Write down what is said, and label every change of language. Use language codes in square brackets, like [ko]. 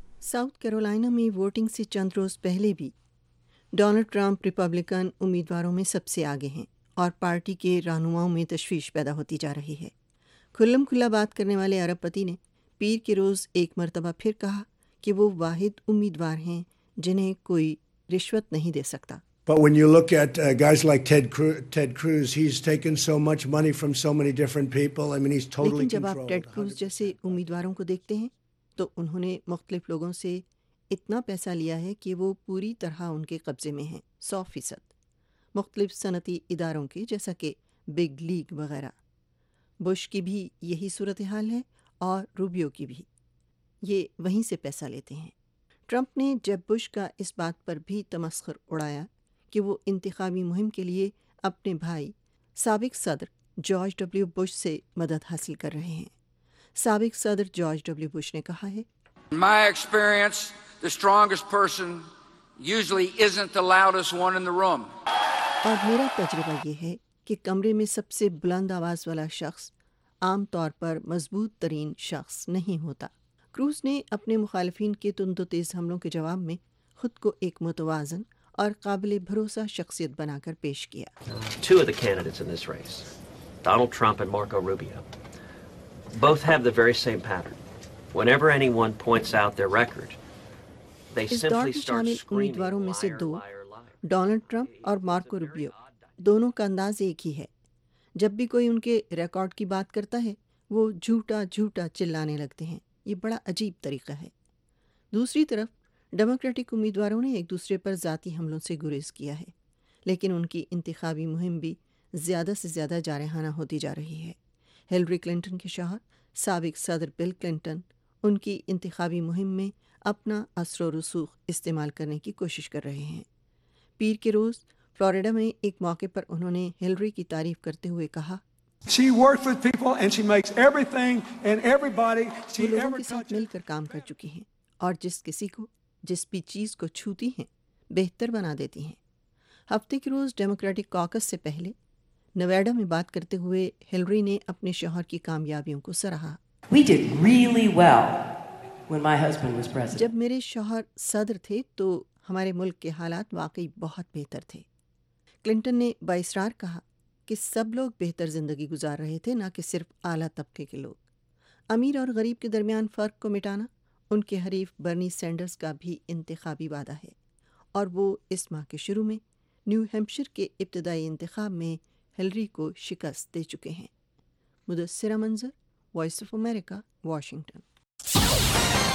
[ur] South Carolina میں voting سے چند روز پہلے بھی ڈونلڈ ٹرمپ ریپبلکن امیدواروں میں سب سے آگے ہیں اور پارٹی کے رہنماؤں میں تشویش پیدا ہوتی جا رہی ہے۔ کھلم کھلا بات کرنے والے ارب پتی نے پیر کے روز ایک مرتبہ پھر کہا کہ وہ واحد امیدوار ہیں جنہیں کوئی رشوت نہیں دے سکتا۔ [en] But when you look at guys like Ted Cruz, he's taken so much money from so many different people. I mean, he's totally controlled. [ur] لیکن جب آپ ٹیڈ کروز جیسے امیدواروں کو دیکھتے ہیں تو انہوں نے مختلف لوگوں سے اتنا پیسہ لیا ہے کہ وہ پوری طرح ان کے قبضے میں ہیں، 100%۔ مختلف صنعتی اداروں کے جیسا کہ بگ لیگ وغیرہ۔ بش کی بھی یہی صورتحال ہے اور روبیو کی بھی، یہ وہیں سے پیسہ لیتے ہیں۔ ٹرمپ نے جیب بش کا اس بات پر بھی تمسخر اڑایا کہ وہ انتخابی مہم کے لیے اپنے بھائی سابق صدر جارج ڈبلیو بش سے مدد حاصل کر رہے ہیں۔ سابق صدر جارج ڈبلیو بش نے کہا ہے، [en] My experience, the strongest person usually isn't the loudest one in the room. [ur] اور میرا تجربہ یہ ہے کہ کمرے میں سب سے بلند آواز والا شخص عام طور پر مضبوط ترین شخص نہیں ہوتا۔ کروز نے اپنے مخالفین کے تند و تیز حملوں کے جواب میں خود کو ایک متوازن اور قابل بھروسہ شخصیت بنا کر پیش کیا۔ [en] Two of the candidates in this race, Donald Trump and Marco Rubio, both have the very same pattern. Whenever anyone points out their record, they simply start screaming. [ur] اس دور کے شامل امیدواروں میں سے دو، ڈونلڈ ٹرمپ اور مارکو روبیو، دونوں کا انداز ایک ہی ہے۔ جب بھی کوئی ان کے ریکارڈ کی بات کرتا ہے وہ جھوٹا جھوٹا چلانے لگتے ہیں۔ یہ بڑا عجیب طریقہ ہے۔ دوسری طرف ڈیموکریٹک امیدواروں نے ایک دوسرے پر ذاتی حملوں سے گریز کیا ہے، لیکن ان کی انتخابی مہم بھی زیادہ سے زیادہ جارحانہ ہوتی جا رہی ہے۔ ہلری کلنٹن کے شوہر سابق صدر بل کلنٹن ان کی انتخابی مہم میں اپنا اثر و رسوخ استعمال کرنے کی کوشش کر رہے ہیں۔ پیر کے روز فلوریڈا میں ایک موقع پر انہوں نے ہلری کی تعریف کرتے ہوئے کہا، [en] She works with people and she makes everything and everybody she ever touches [ur] مل کر کام کر چکی ہیں اور جس کسی کو جس بھی چیز کو چھوتی ہیں بہتر بنا دیتی ہیں۔ ہفتے کے روز ڈیموکریٹک کاکس سے پہلے نیوڈا میں بات کرتے ہوئے ہلری نے اپنے شوہر کی کامیابیوں کو سراہا۔ [en] We did really well when my husband was president. [ur] جب میرے شوہر صدر تھے تو ہمارے ملک کے حالات واقعی بہت بہتر تھے۔ کلنٹن نے بااصرار کہا کہ سب لوگ بہتر زندگی گزار رہے تھے، نہ کہ صرف اعلیٰ طبقے کے لوگ۔ امیر اور غریب کے درمیان فرق کو مٹانا ان کے حریف برنی سینڈرز کا بھی انتخابی وعدہ ہے، اور وہ اس ماہ کے شروع میں نیو ہیمپشر کے ابتدائی انتخاب میں ہلری کو شکست دے چکے ہیں۔ مدثرہ منظر، وائس آف امریکہ، واشنگٹن۔